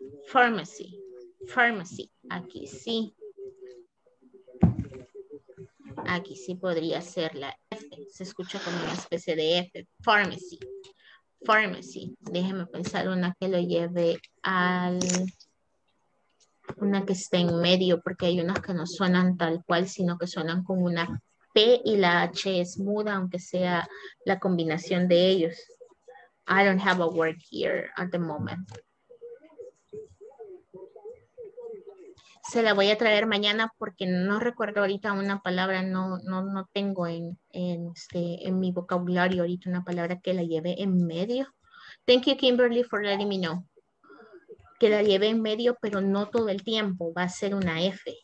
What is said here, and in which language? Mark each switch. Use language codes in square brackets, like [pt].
[es] Pharmacy, pharmacy, aquí sí podría ser la F, se escucha como una especie de F, pharmacy, pharmacy, déjeme pensar una que lo lleve al, una que esté en medio, porque hay unas que no suenan tal cual, sino que suenan con una P y la H es muda, aunque sea la combinación de ellos. [en] I don't have a word here at the moment. [es] Se la voy a traer mañana porque no recuerdo ahorita una palabra, no tengo en mi vocabulario ahorita una palabra que la lleve en medio. [en] Thank you, Kimberly, for letting me know. [es] Que la lleve en medio, pero no todo el tiempo, va a ser una F.